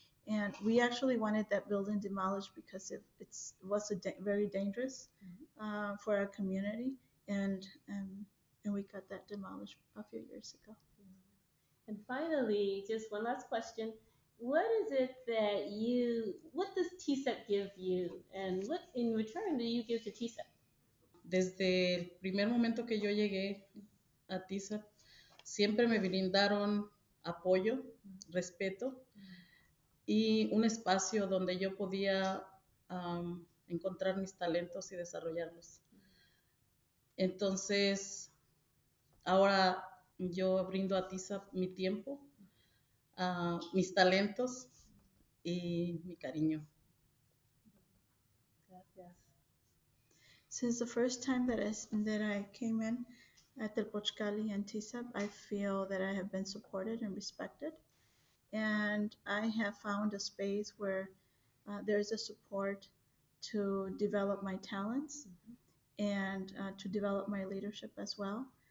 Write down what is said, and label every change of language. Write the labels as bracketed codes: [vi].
[en] And we actually wanted that building demolished because it was very dangerous for our community. And we got that demolished a few years ago. And finally, just one last question. What is it that you, what does TSEP give you? And what in return do you give to TSEP? [es] Desde el primer momento que yo llegué a TSEP, siempre me brindaron apoyo, respeto, y un espacio donde yo podía encontrar mis talentos y desarrollarlos. Entonces, ahora yo brindo a TSEP mi tiempo, mis talentos y mi cariño. Gracias. [en] Since the first time that I came in at the Pochcali and TSEP, I feel that I have been supported and respected. And I have found a space where there is a support to develop my talents and to develop my leadership as well.